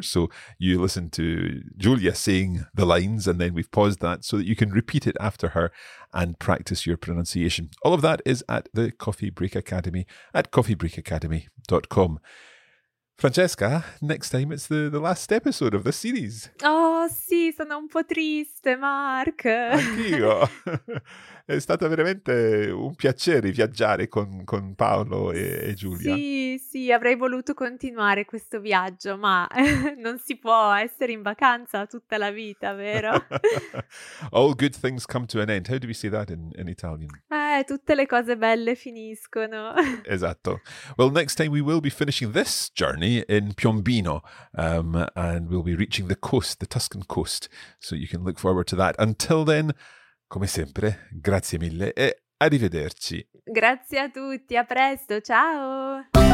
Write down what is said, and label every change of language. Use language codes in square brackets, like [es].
[en] So you listen to Giulia saying the lines and then we've paused that so that you can repeat it after her and practice your pronunciation. All of that is at the Coffee Break Academy at coffeebreakacademy.com. Francesca, next time it's the last episode of the series. [it] Oh sì, sono un po' triste, Mark. Anch'io. È stato veramente un piacere viaggiare con Paolo e Giulia. Sì, sì, avrei voluto continuare questo viaggio, ma non si può essere in vacanza tutta la vita, vero? [en] All good things come to an end. How do we say that in Italian? [it] Tutte le cose belle finiscono. Esatto. [en] Well, next time we will be finishing this journey in Piombino, and we'll be reaching the coast, the Tuscan coast, so you can look forward to that. Until then, [it] come sempre, grazie mille e arrivederci. Grazie a tutti, a presto, ciao!